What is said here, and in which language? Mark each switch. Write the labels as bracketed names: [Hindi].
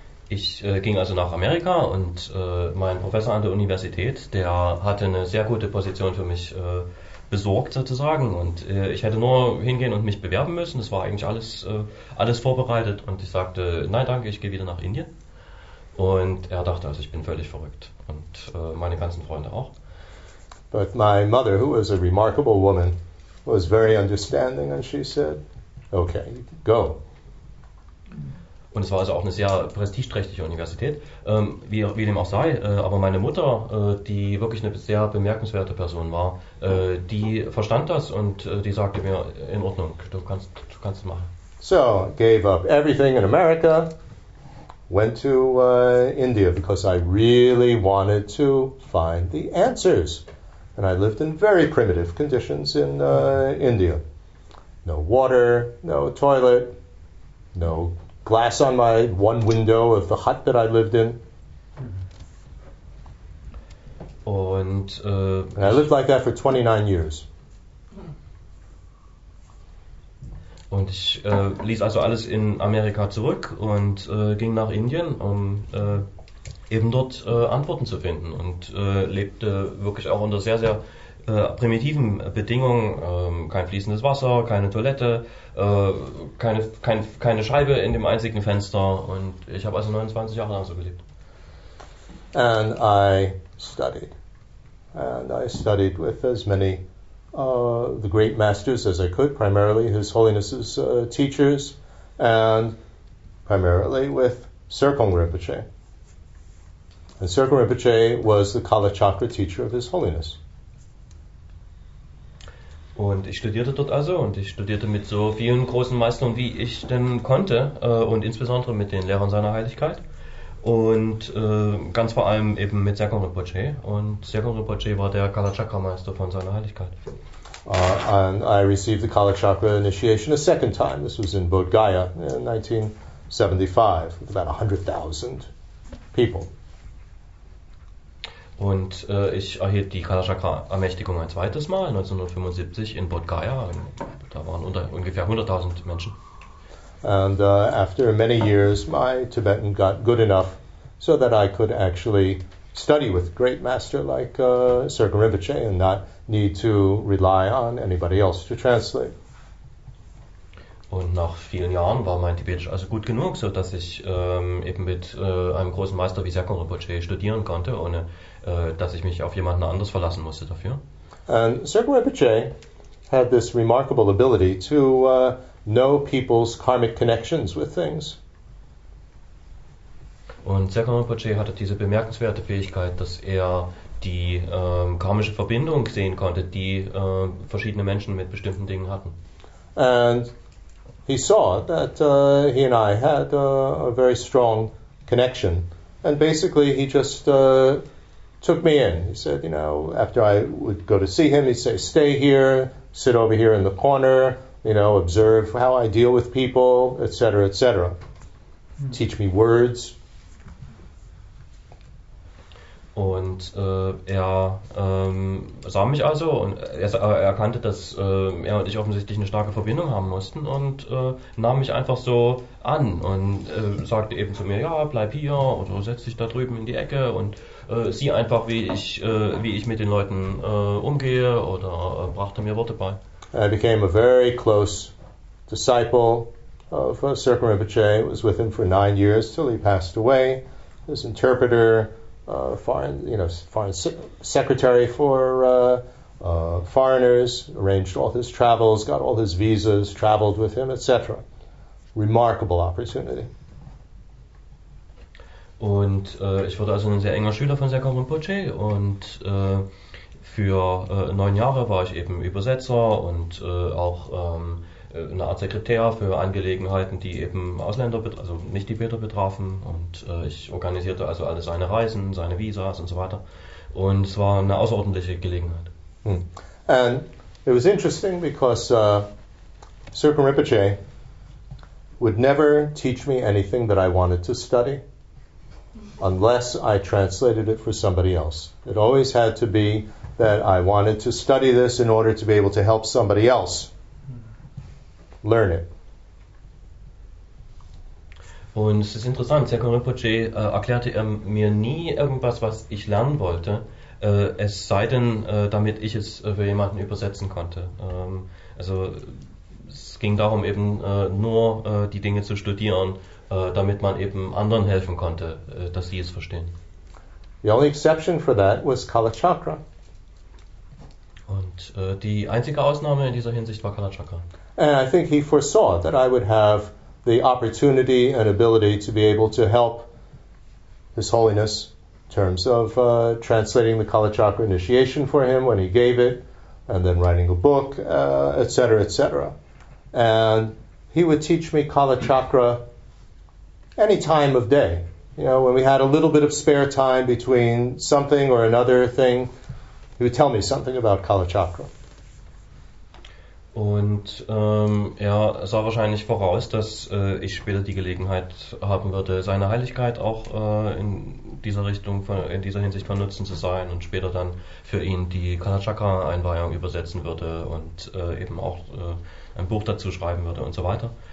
[German] Ich ging also nach Amerika und mein Professor an der Universität, der hatte eine sehr gute Position für mich besorgt sozusagen und ich hätte nur hingehen und mich bewerben müssen. Es war eigentlich alles alles vorbereitet und ich sagte, nein, danke, ich gehe wieder nach Indien. Und er dachte, also ich bin völlig verrückt und meine ganzen Freunde auch. [English] But my mother, who was a remarkable woman, was very understanding and she said, okay, go. [German] Und es war also auch eine sehr prestigeträchtige Universität, wie dem auch sei. Aber meine Mutter, die wirklich eine sehr bemerkenswerte Person war, die verstand das und die sagte mir, in Ordnung, du kannst es machen. [English] So, gave up everything in America, went to India, because I really wanted to find the answers. And I lived in very primitive conditions in India. No water, no toilet, no glass on my one window of the hut that I lived in. [German] Und [English] I lived like that for 29 years. [German] Und ich ließ also alles in Amerika zurück und ging nach Indien, um eben dort Antworten zu finden und lebte wirklich auch unter sehr, sehr primitiven Bedingungen, kein fließendes Wasser, keine Toilette, keine Scheibe in dem einzigen Fenster und ich habe also 29 Jahre lang so gelebt. [English] And I studied. And I studied with as many the great masters as I could, primarily His Holiness's teachers and primarily with Sirkong Rinpoche. And Sirkong Rinpoche was the Kalachakra teacher of His Holiness. [German] Und ich studierte dort also und ich studierte mit so vielen großen Meistern, wie ich denn konnte und insbesondere mit den Lehrern seiner Heiligkeit und ganz vor allem eben mit Sekong Rinpoche. Und Sekong Rinpoche war der Kalachakra-Meister von seiner Heiligkeit. [English] And I received the Kalachakra initiation a second time. This was in Bodh Gaya in 1975 with about 100,000 people. [German] Und ich erhielt die Kalachakra-Ermächtigung ein zweites Mal, 1975 in Bodh Gaya. Da waren ungefähr 100,000 Menschen. [English] And after many years, my Tibetan got good enough so that I could actually study with great master like Sergen Rinpoche and not need to rely on anybody else to translate. [German] Und nach vielen Jahren war mein Tibetisch also gut genug, so dass ich eben mit einem großen Meister wie Sekong Rinpoche studieren konnte, ohne dass ich mich auf jemanden anders verlassen musste dafür. [English] And Sergen Rinpoche had this remarkable ability to know people's karmic connections with things. [German] Und Sekong Rinpoche hatte diese bemerkenswerte Fähigkeit, dass er die karmische Verbindung sehen konnte, die verschiedene Menschen mit bestimmten Dingen hatten. [English] And he saw that he and I had a very strong connection. And basically, he just took me in. He said, you know, after I would go to see him, he'd say, stay here, sit over here in the corner, you know, observe how I deal with people, etc., etc. Teach me words. [German] Und sah mich also und er erkannte, dass er und ich offensichtlich eine starke Verbindung haben mussten und nahm mich einfach so an und sagte eben zu mir, ja, bleib hier oder setz dich da drüben in die Ecke und sieh einfach, wie ich mit den Leuten umgehe oder brachte mir Worte bei. [English] I became a very close disciple of Sergen Rinpoche. I was with him for 9 years till he passed away. His interpreter, foreign secretary for foreigners, arranged all his travels, got all his visas, traveled with him, etc. Remarkable opportunity. [German] Und ich wurde also ein sehr enger Schüler von Sekong Rinpoche und für 9 Jahre war ich eben Übersetzer und auch eine Art Sekretär für Angelegenheiten, die eben Ausländer, also nicht Tibeter betrafen. Und ich organisierte also alle seine Reisen, seine Visas und so weiter. Und es war eine außerordentliche Gelegenheit. [English] And it was interesting because Sergen Rinpoche would never teach me anything that I wanted to study unless I translated it for somebody else. It always had to be that I wanted to study this in order to be able to help somebody else learn it. [German] Und es ist interessant, Sekong Rinpoche erklärte er mir nie irgendwas, was ich lernen wollte, es sei denn, damit ich es für jemanden übersetzen konnte. Also es ging darum, eben nur die Dinge zu studieren, damit man eben anderen helfen konnte, dass sie es verstehen. [English] The only exception for that was Kalachakra. [German] Und die einzige Ausnahme in dieser Hinsicht war Kalachakra. [English] And I think he foresaw that I would have the opportunity and ability to be able to help His Holiness in terms of translating the Kalachakra initiation for him when he gave it, and then writing a book, etc., etc. And he would teach me Kalachakra any time of day. You know, when we had a little bit of spare time between something or another thing, he would tell me something about Kalachakra. [German] Und er sah wahrscheinlich voraus, dass ich später die Gelegenheit haben würde, seine Heiligkeit auch in dieser Hinsicht von Nutzen zu sein und später dann für ihn die Kalachakra-Einweihung übersetzen würde und eben auch ein Buch dazu schreiben würde und so weiter.